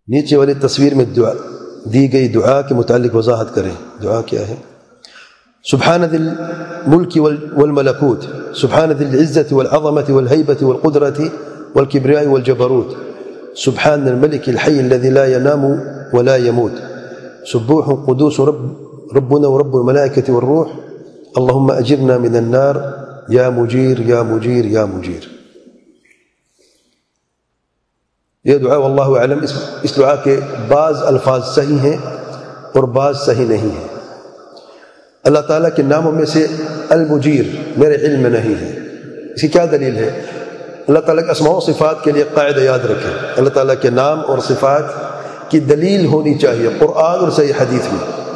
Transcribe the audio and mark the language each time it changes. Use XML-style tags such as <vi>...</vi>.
<ur>نیچے والی تصویر میں دعا دی گئی دعا کے متعلق وضاحت کریں. دعا کیا ہے؟</ur> <ar>سبحان ذی الملک والملکوت، سبحان ذی العزة والعظمة والهیبة والقدرة والکبریاء والجبروت، سبحان الملک الحی الذی لا ینام ولا يموت، سبوح قدوس ربنا ورب الملائكة والروح، اللهم أجرنا من النار، يا مجير يا مجير يا مجير.</ar> <ur>یہ دعا والله اعلم اس دعا کے بعض الفاظ صحیح ہیں اور بعض صحیح نہیں ہیں. اللہ تعالیٰ کے ناموں میں سے المجیر میرے علم میں نہیں ہے. اس کی کیا دلیل ہے؟ اللہ تعالیٰ کے اسماء و صفات کے لیے قاعدہ یاد رکھیں، اللہ تعالیٰ کے نام اور صفات کی دلیل ہونی چاہیے قرآن اور صحیح حدیث میں.</ur>